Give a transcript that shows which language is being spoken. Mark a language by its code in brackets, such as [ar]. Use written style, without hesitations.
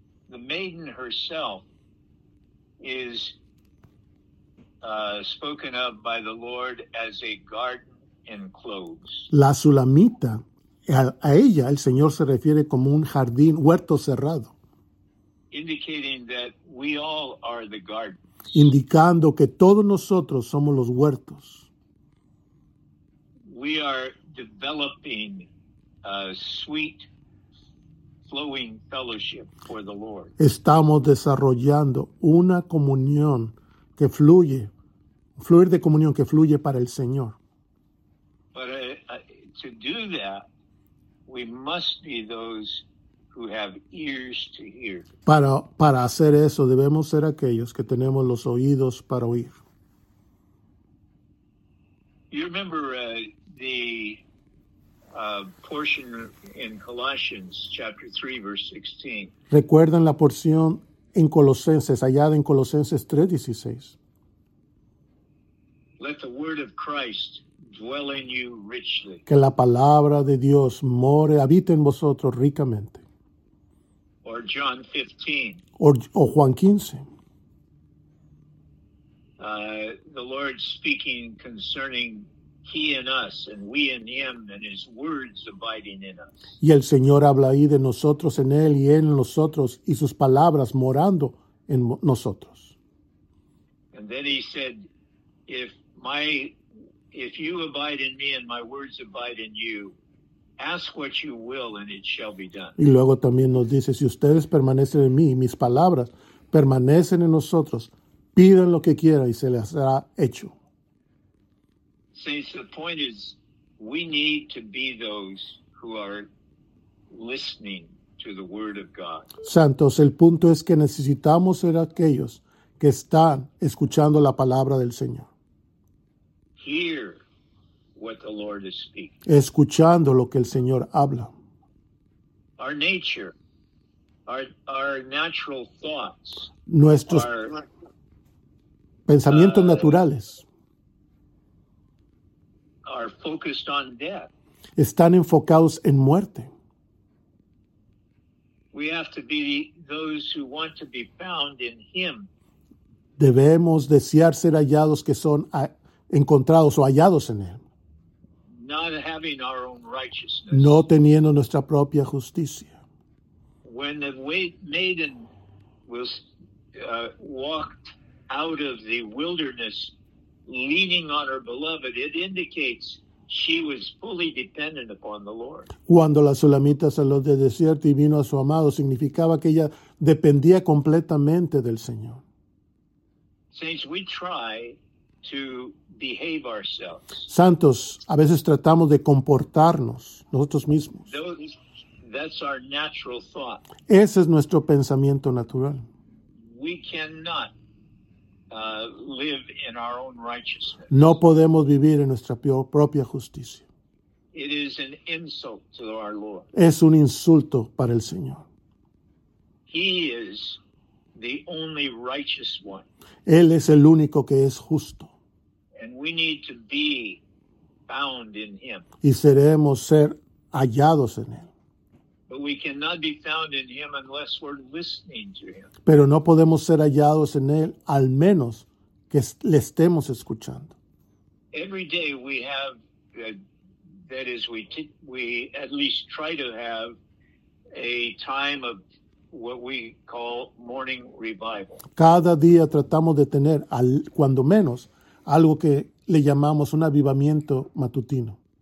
[en] The maiden herself is spoken of by the Lord as a garden enclosed. [es] La Sulamita. A ella el Señor se refiere como un jardín, huerto cerrado. [en] Indicating that we all are the gardens. [es] Indicando que todos nosotros somos los huertos. [en] We are developing a sweet flowing fellowship for the Lord. [es] Estamos desarrollando una comunión que fluye, fluir de comunión que fluye para el Señor. [en] But to do that, we must be those who have ears to hear. [es] Para hacer eso, debemos ser aquellos que tenemos los oídos para oír. [en] You remember the portion in Colossians chapter 3 verse 16. [es] ¿Recuerdan la porción en Colosenses, hallada en Colosenses 3:16? [en] Let the word of Christ dwell in you richly. [es] Que la palabra de Dios more, habite en vosotros ricamente. [en] Or John 15. [es] O Juan 15. [en] The Lord speaking concerning he in us and we in him and his words abiding in us. [es] Y el Señor habla ahí de nosotros en él y él en nosotros y sus palabras morando en nosotros. [en] And then he said, If you abide in me and my words abide in you, ask what you will and it shall be done. [es] Y luego también nos dice, si ustedes permanecen en mí y mis palabras permanecen en nosotros, pidan lo que quieran y se les será hecho. [en] Saints, the point is, we need to be those who are listening to the word of God. [es] Santos, el punto es que necesitamos ser aquellos que están escuchando la palabra del Señor. [en] Hear what the Lord is speaking. [es] Escuchando lo que el Señor habla. [en] Our nature, our natural thoughts, [es] nuestros pensamientos naturales, [en] are focused on death. [es] Están enfocados en muerte. [en] We have to be those who want to be found in Him. [es] Debemos desear ser hallados que son encontrados o hallados en él. [en] Not having our own righteousness. [es] No teniendo nuestra propia justicia. [en] When the maiden was walked out of the wilderness leaning on her beloved, it indicates she was fully dependent upon the Lord. [es] Cuando la Shulamita salió del desierto y vino a su amado, significaba que ella dependía completamente del Señor. [en] Saints, we try to behave ourselves. [es] Santos, a veces tratamos de comportarnos nosotros mismos. [en] That's our natural thought. [es] Ese es nuestro pensamiento natural. [en] We cannot live in our own righteousness. [es] No podemos vivir en nuestra propia justicia. [en] It is an insult to our Lord. [es] Es un insulto para el Señor. [en] He is the only righteous one. [es] Él es el único que es justo. [en] And we need to be found in him. [es] Y seremos ser hallados en él. [en] But we cannot be found in him unless we're listening to him. [es] Pero no podemos ser hallados en él al menos que le estemos escuchando. [en] Every day we have that is we at least try to have a time of what we call morning revival. [es] Cada día tratamos de tener cuando menos algo que le llamamos un avivamiento matutino.